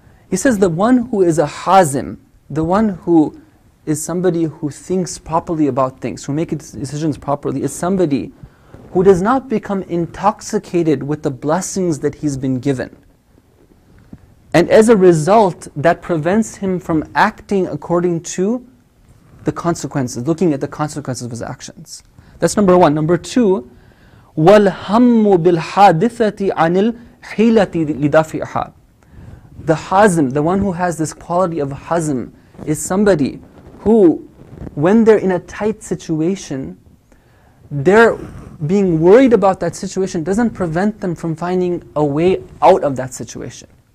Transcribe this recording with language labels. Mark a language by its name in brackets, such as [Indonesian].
[English] He says the one who is a hazim, the one who is somebody who thinks properly about things, who makes decisions properly, is somebody who does not become intoxicated with the blessings that he's been given. And as a result, that prevents him from acting according to the consequences, looking at the consequences of his actions. That's number one. Number two, [Arabic] وَالْهَمُّ بِالْحَادِثَةِ عَنِ الْحِيلَةِ لِدَفِعْهَا. [English] The hazm, the one who has this quality of hazm, is somebody who, when they're in a tight situation, they're being worried about that situation doesn't prevent them from finding a way out of that situation.